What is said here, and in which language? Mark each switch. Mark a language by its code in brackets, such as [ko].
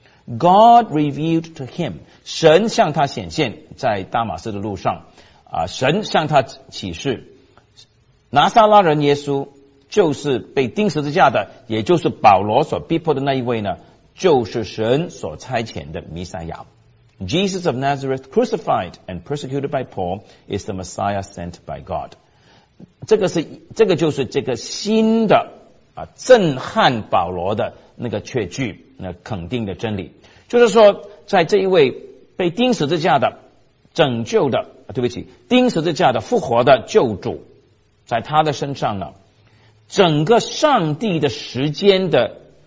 [en] God revealed to him. [zh] 神向他显现在大马士的路上。神向他启示。拿撒拉人耶稣就是被钉十字架的，也就是保罗所逼迫的那一位呢，就是神所差遣的弥赛亚。 [en] Jesus of Nazareth crucified and persecuted by Paul is the Messiah sent by God. [zh] 这个就是这个新的震撼保罗的那个确据，那肯定的真理，就是说在这一位被钉十字架的拯救的钉十字架的复活的救主，在他的身上呢，整个上帝的时间的